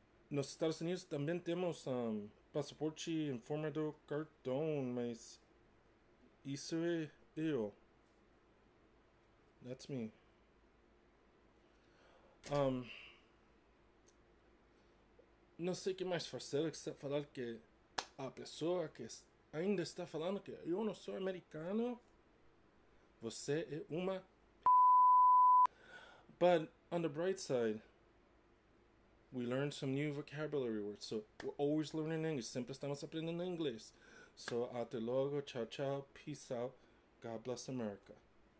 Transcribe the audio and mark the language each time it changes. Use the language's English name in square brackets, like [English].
[Portuguese] Nos Estados Unidos também temos passaporte em forma do cartão, mas isso é eu. [English] That's me. [Portuguese] Não sei o que mais fazer except falar que a pessoa que ainda está falando que eu não sou americano, você é uma... [English] But on the bright side, we learned some new vocabulary words. So we're always learning English. [Portuguese] Sempre estamos aprendendo inglês. [English] So [Portuguese] até logo. [English] Ciao, ciao. Peace out. God bless America.